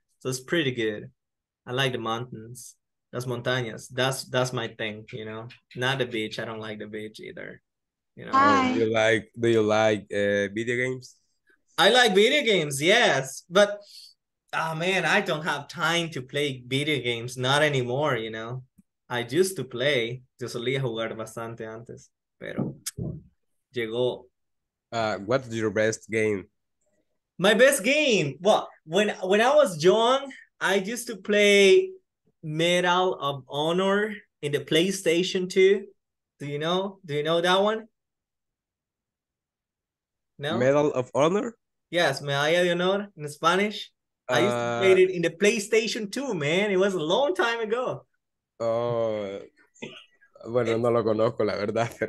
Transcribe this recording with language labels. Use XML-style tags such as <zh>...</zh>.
<en>So it's pretty good. I like the mountains.</en> <es>Las montañas.</es> <en>That's my thing, you know. Not the beach. I don't like the beach either, you know. Oh, Hi. do you like video games? I like video games, yes, but oh man, I don't have time to play video games, not anymore, you know. I used to play,</en> <es>yo solía jugar bastante antes, pero llegó.</es> <en>What's your best game? My best game, well, when I was young, I used to play Medal of Honor in the PlayStation 2. Do you know that one? No? Medal of Honor? Yes, Medalla de Honor in Spanish. I used to play it in the PlayStation 2, man. It was a long time ago.</en> <es>Oh, bueno, no lo conozco, la verdad, pero.</es>